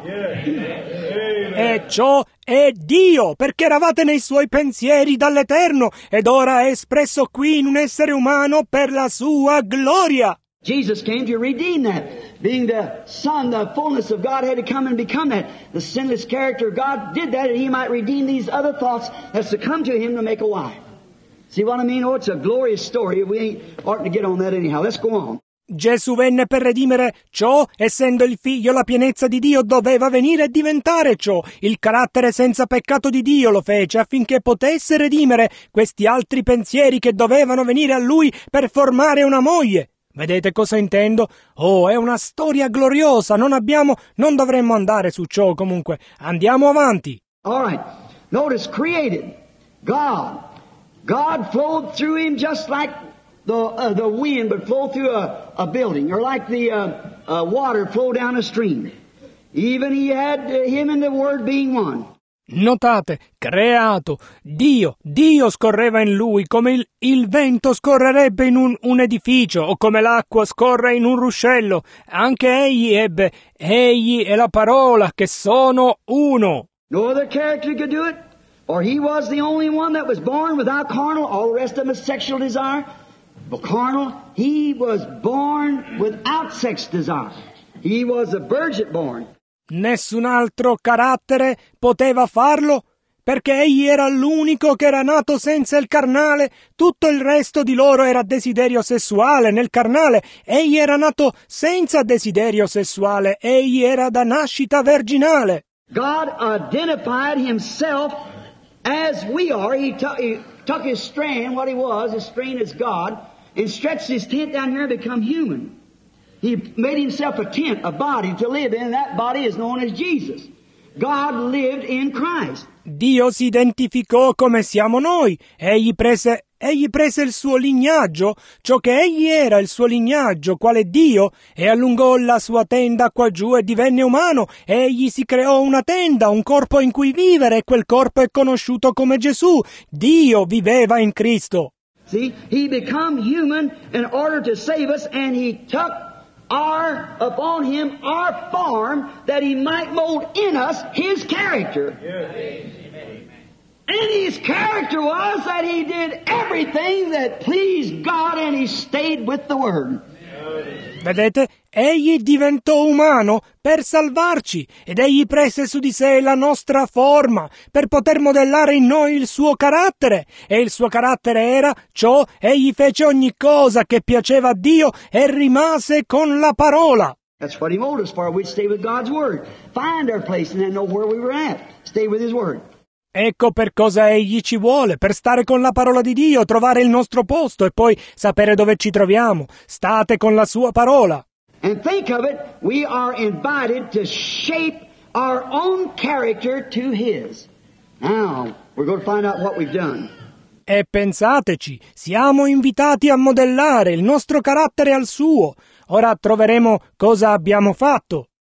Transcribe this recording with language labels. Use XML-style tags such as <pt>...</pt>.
<en>Yeah.</en> <it>E ciò è Dio, perché eravate nei suoi pensieri dall'eterno, ed ora è espresso qui in un essere umano per la sua gloria.</it> <en>Jesus came to redeem that. Being the Son, the fullness of God had to come and become that. The sinless character of God did that, and he might redeem these other thoughts that succumbed to him to make a wife. See what I mean? Oh, it's a glorious story. We oughtn't to get on that anyhow. Let's go on.</en> <it>Gesù venne per redimere ciò, essendo il figlio, la pienezza di Dio doveva venire e diventare ciò. Il carattere senza peccato di Dio lo fece affinché potesse redimere questi altri pensieri che dovevano venire a lui per formare una moglie. Vedete cosa intendo? Oh, è una storia gloriosa. Non dovremmo andare su ciò comunque. Andiamo avanti.</it> <en>All right. Notice, created God. God flowed through him just like the wind would flow through a building, or like the water flow down a stream. Even he had him and the Word being one.</en> <it>Notate, creato, Dio scorreva in lui come il vento scorrerebbe in un edificio o come l'acqua scorre in un ruscello. Anche egli è la parola che sono uno.</it> <en>No other character could do it, or he was the only one that was born without carnal, all the rest of them is sexual desire, but carnal, he was born without sex desire. He was a virgin born.</en> <it>Nessun altro carattere poteva farlo, perché egli era l'unico che era nato senza il carnale. Tutto il resto di loro era desiderio sessuale nel carnale. Egli era nato senza desiderio sessuale. Egli era da nascita virginale.</it> <en>God identified himself as we are. He took his strain, what he was, his strain is God, and stretched his tent down here and become human. He made himself a tent, a body to live in, and that body is known as Jesus. God lived in Christ.</en> <it>Dio si identificò come siamo noi. Egli prese il suo lignaggio, ciò che egli era, il suo lignaggio, quale Dio, e allungò la sua tenda qua giù e divenne umano. Egli si creò una tenda, un corpo in cui vivere, e quel corpo è conosciuto come Gesù. Dio viveva in Cristo.</it> <en>See, he became human in order to save us, and he took our upon him our form that he might mold in us his character. Yes. And his character was that he did everything that pleased God and he stayed with the Word.</en> <it>Vedete, egli diventò umano per salvarci ed egli prese su di sé la nostra forma per poter modellare in noi il suo carattere. E il suo carattere era ciò, egli fece ogni cosa che piaceva a Dio e rimase con la parola.</it> <en>That's what he molded us for, we'd stay with God's Word, find our place and then know where we were at, stay with his Word.</en> <it>Ecco per cosa egli ci vuole, per stare con la parola di Dio, trovare il nostro posto e poi sapere dove ci troviamo. State con la sua parola.</it> <en>And think of it, we are invited to shape our own character to his. Now, we're going to find out what we've done.</en> <it>E pensateci, siamo invitati a modellare il nostro carattere al suo. Ora troveremo cosa abbiamo fatto.</it>